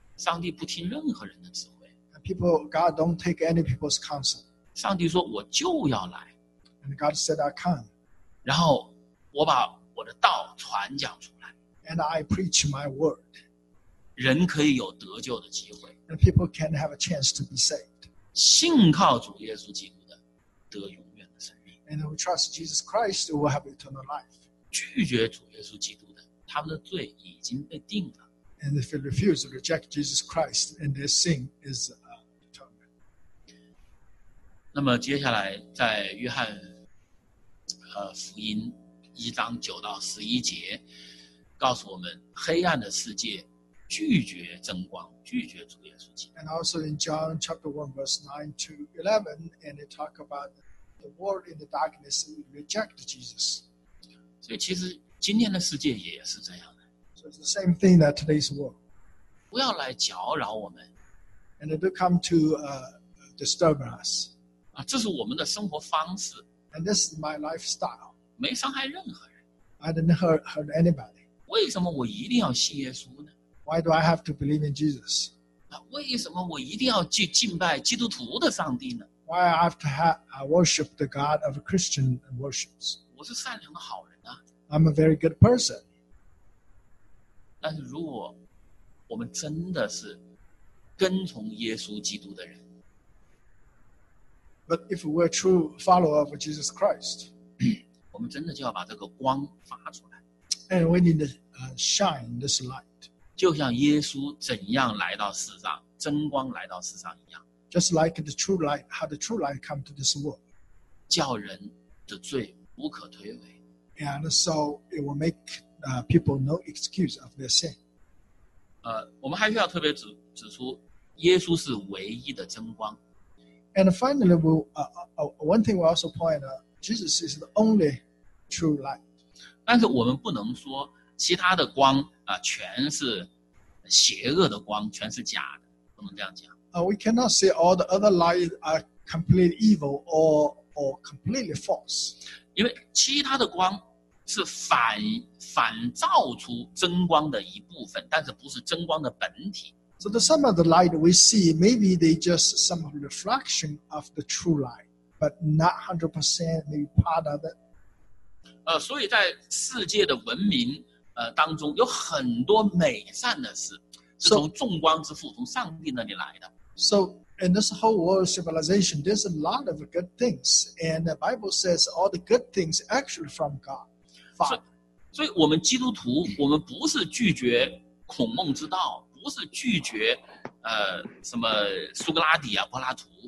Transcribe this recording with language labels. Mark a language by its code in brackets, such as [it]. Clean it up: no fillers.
[zh] 上帝不听任何人的指挥。 [en] God don't take any people's counsel. [zh] 上帝说我就要来。 [en] And God said, I come. [zh] 然后我把我的道传讲出来。 [en] And I preach my word. [zh] 人可以有得救的机会。 [en] And people can have a chance to be saved. [zh] 信靠主耶稣基督的得永远的生命。 [en] And who trust Jesus Christ will have eternal life. [zh] 拒绝主耶稣基督的他们的罪已经被定了。 [en] And if you refuse to reject Jesus Christ, and their sin is determined. [zh] 那么接下来在约翰福音一章九到十一节，告诉我们黑暗的世界拒绝真光，拒绝主耶稣基督。 [en] And also in John chapter 1 verse 9 to 11, and they talk about the world in the darkness reject Jesus. [zh] 所以其实今天的世界也是这样的。 [en] So it's the same thing that today's world. [zh] 不要来搅扰我们。 [en] And they do come to disturb us. [zh] 啊，这是我们的生活方式。 [en] And this is my lifestyle. [zh] 没伤害任何人。 [en] I didn't hurt anybody. [zh] 为什么我一定要信耶稣呢？ [en] Why do I have to believe in Jesus? [zh] 为什么我一定要去敬拜基督徒的上帝呢？ [en] Why I have to worship the God of Christian worships? [zh] 我是善良的好人啊。 [en] I'm a very good person. [zh] 但是如果我们真的是跟从耶稣基督的人， [en] But if we're true follower of Jesus Christ, [zh] 我们真的就要把这个光发出来。 [en] And we need to shine this light. [zh] 就像耶稣怎样来到世上，真光来到世上一样。 [en] Just like the true light, how the true light come to this world. [zh] 叫人的罪无可推诿。 [en] And so it will make people no excuse of their sin. [zh] 我们还需要特别指出，耶稣是唯一的真光。 [en] And finally, one thing we also point out, Jesus is the only true light. [zh] 但是我们不能说其他的光全是邪恶的光，全是假的，不能这样讲。 [en] We cannot say all the other light are completely evil or completely false. [zh] 因为其他的光是反照出真光的一部分，但是不是真光的本体。 [en] So the some of the light we see, maybe they just some reflection of the true light, but not 100%, maybe part of it. [zh] 所以在世界的文明当中有很多美善的事是从众光之父从上帝那里来的。 [en] So in this whole world civilization, there's a lot of good things, and the Bible says all the good things actually from God, Father. [zh] 所以我们基督徒，我们不是拒绝孔孟之道。不是拒绝什么苏格拉底啊柏拉图。